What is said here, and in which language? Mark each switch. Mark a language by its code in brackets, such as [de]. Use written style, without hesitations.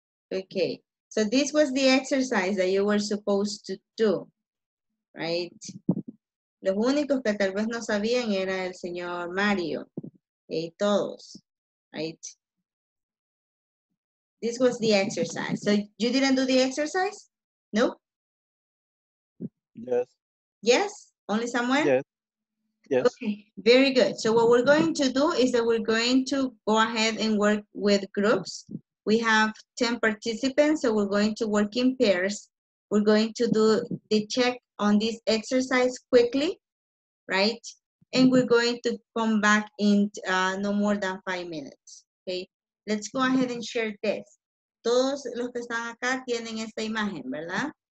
[en] Okay, so this was the exercise that you were supposed to do, right? [es] Los únicos que tal vez no sabían era el señor Mario y todos. [en] Right. This was the exercise. So you didn't do the exercise? No? Yes. Yes? Only somewhere? Yes. Yes. Okay. Very good. So what we're going to do is that we're going to go ahead and work with groups. We have 10 participants, so we're going to work in pairs. We're going to do the check on this exercise quickly, right? And we're going to come back in no more than 5 minutes, okay? Let's go ahead and share this. [es] Todos los que están acá tienen esta imagen, ¿verdad?